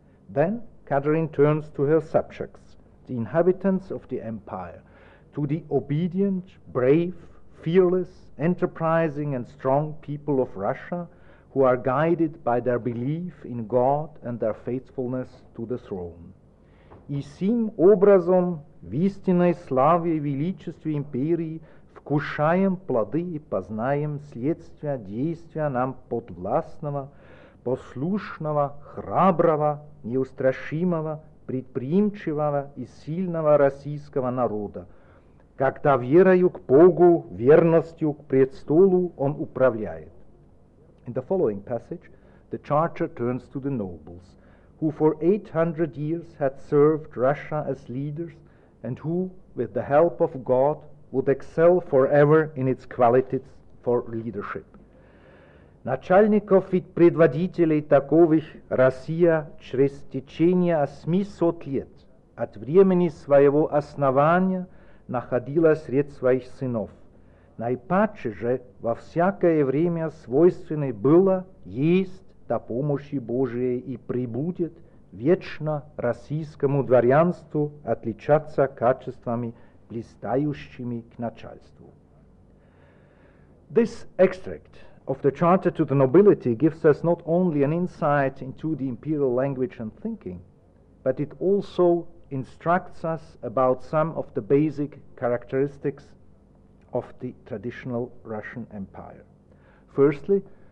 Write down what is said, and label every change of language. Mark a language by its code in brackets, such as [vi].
[en] Then Catherine turns to her subjects, the inhabitants of the empire, to the obedient, brave, fearless, enterprising, and strong people of Russia who are guided by their belief in God and their faithfulness to the throne. [ru] И сим образом в истинной славе и величестве империи вкушаем плоды и познаем следствия действия нам подвластного, послушного, храброго, неустрашимого, предприимчивого и сильного российского народа, когда верою к Богу, верностью к престолу он управляет. [en] In the following passage, the charter turns to the nobles, who for 800 years had served Russia as leaders and who, with the help of God, would excel forever in its qualities for leadership. [ru] Начальников и предводителей таковых Россия через течение 800 лет от времени своего основания находила сред своих сынов. Наипаче же во всякое время свойственной было, есть до помощи Божией и прибудет вечно российскому дворянству отличаться качествами, блистающими к начальству. [en] This extract of the Charter to the Nobility gives us not only an insight into the imperial language and thinking, but it also instructs us about some of the basic characteristics of the traditional Russian Empire. Firstly,